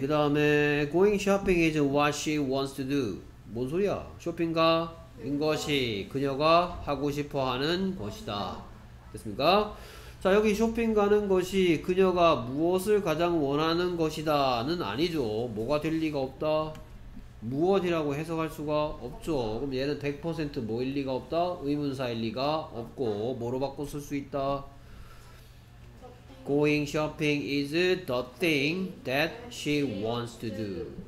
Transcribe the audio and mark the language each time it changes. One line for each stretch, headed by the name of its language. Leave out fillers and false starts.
Korean: 그 다음에
English: Going shopping is what she wants to do.
Korean: 뭔 소리야? 쇼핑가 인 것이 그녀가 하고 싶어 하는 것이다. 됐습니까? 자, 여기 쇼핑 가는 것이 그녀가 무엇을 가장 원하는 것이다는 아니죠. 뭐가 될 리가 없다? 무엇이라고 해석할 수가 없죠. 그럼 얘는 100% 뭐일 리가 없다? 의문사일 리가 없고 뭐로 바꿔 쓸수 있다?
English: Going shopping is the thing that she wants to do.